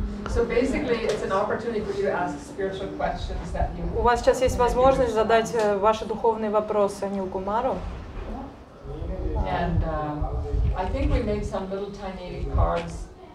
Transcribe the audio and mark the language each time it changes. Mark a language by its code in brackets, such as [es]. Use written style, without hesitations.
[en] So basically, it's an opportunity for you to ask spiritual questions that you. [ru] У вас сейчас есть возможность задать ваши духовные вопросы Нилу Кумару. [en] And I think we made some little tiny cards.